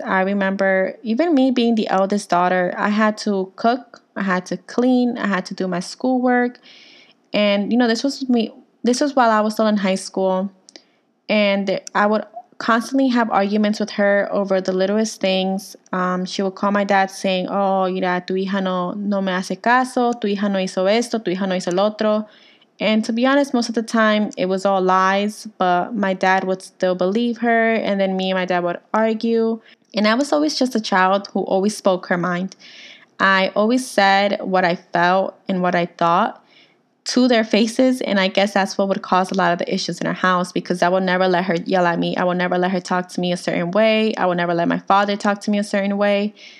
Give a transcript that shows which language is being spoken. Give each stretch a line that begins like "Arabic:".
English: I remember even me being the eldest daughter, I had to cook, I had to clean, I had to do my schoolwork. And, you know, this was while I was still in high school. And I would constantly have arguments with her over the littlest things. She would call my dad saying, oh,
Spanish: mira, tu hija no me hace caso, tu hija no hizo esto, tu hija no hizo lo otro.
English: And to be honest, most of the time, it was all lies, but my dad would still believe her, and then me and my dad would argue. And I was always just a child who always spoke her mind. I always said what I felt and what I thought to their faces, and I guess that's what would cause a lot of the issues in our house, because I would never let her yell at me. I would never let her talk to me a certain way. I would never let my father talk to me a certain way.